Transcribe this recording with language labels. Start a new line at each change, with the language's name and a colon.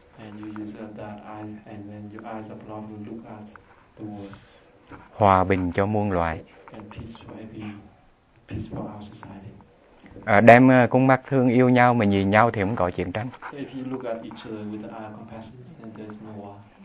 English: And you use that eye, and then your eyes of love will look at the world.
Vietnamese: Hòa bình cho muôn loài.
English: And peace for everyone, peace for our society.
Vietnamese: Đem con mắt thương yêu nhau mà nhìn nhau thì không có chuyện tranh.
English: So if you look at each other with the eye of compassion, then there's no war.